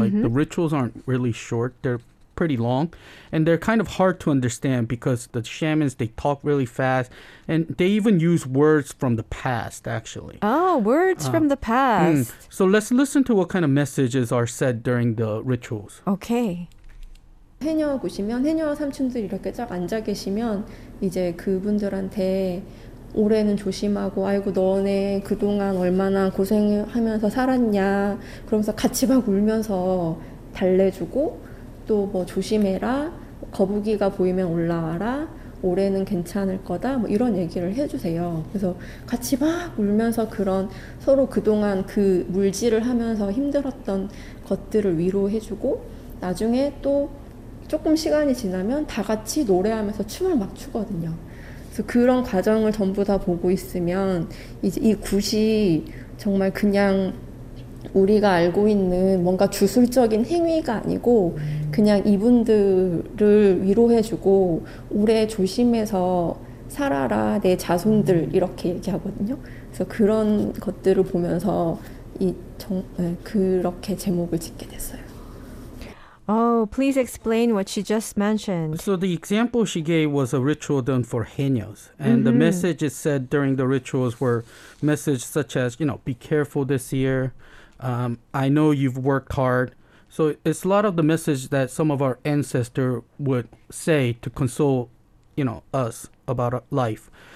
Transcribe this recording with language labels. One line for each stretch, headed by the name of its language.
English: Like, the rituals aren't really short. They're pretty long, and they're kind of hard to understand because the shamans, they talk really fast, and they even use words from the past, actually. Oh, words from the past. Mm. So let's listen to what kind of messages are said during the rituals. Okay.
Korean: 해녀 오시면 해녀와 삼촌들 이렇게 쫙 앉아 계시면 이제 그분들한테 올해는 조심하고 아이고 너네 그동안 얼마나 고생하면서 살았냐 그러면서 같이 막 울면서 달래주고 또 뭐 조심해라, 거북이가 보이면 올라와라, 올해는 괜찮을 거다, 뭐 이런 얘기를 해주세요. 그래서 같이 막 울면서 그런 서로 그동안 그 물질을 하면서 힘들었던 것들을 위로해주고 나중에 또 조금 시간이 지나면 다 같이 노래하면서 춤을 막 추거든요. 그래서 그런 과정을 전부 다 보고 있으면 이제 이 굿이 정말 그냥 우리가 알고 있는 뭔가 주술적인 행위가 아니고 그냥 이분들을 위로해주고 올해 조심해서 살아라 내 자손들 이렇게 얘기하거든요. 그래서 그런 것들을 보면서 그렇게 제목을 짓게 됐어요.
English: Oh, please explain what she just mentioned. So the example she gave was a ritual done for henyos. And mm-hmm. the messages said during the rituals were messages such as, you know, be careful this year. I know you've worked hard. So it's a lot of the message that some of our ancestors would say to console, you know, us about our life.